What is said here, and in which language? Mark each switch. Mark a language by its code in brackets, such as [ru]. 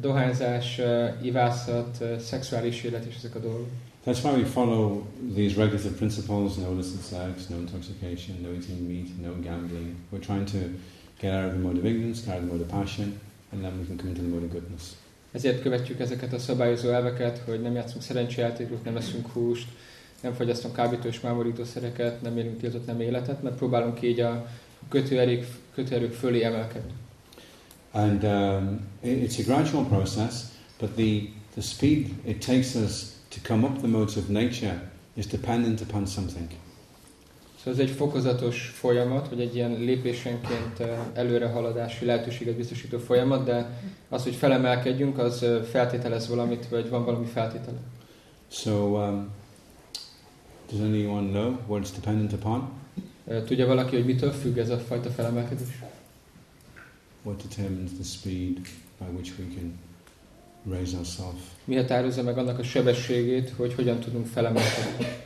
[hu] Dohányzás, ivászat, szexuális élet és ezek a dolgok. [en] That's why we follow these regulative principles, no illicit sex, no intoxication, no eating meat, no gambling. We're trying to get out of the mode of ignorance, get out of the mode of passion, and then we can come into the mode of goodness. [hu] Ezért követjük ezeket a szabályozó elveket, hogy nem játszunk szerencsejátékot, nem eszünk húst, nem fogyasztunk kábító és mámorítószereket, nem élünk tiltott nem életet, mert próbálunk így a kötőerők fölé emelkedni. [en] And it's a gradual process, but the speed it takes us to come up the modes of nature is dependent upon something. [hu] Szóval ez egy fokozatos folyamat, vagy egy ilyen lépésenként előrehaladási lehetőséget biztosító folyamat, de az, hogy felemelkedjünk, az feltételez valamit, vagy van valami feltétele. [en] So, does anyone know what it's dependent upon? [hu] Tudja valaki, hogy mitől függ ez a fajta felemelkedés? [en] What determines the speed by which we can raise ourselves? [hu] Mi határozza meg annak a sebességét, hogy hogyan tudunk felemelkedni?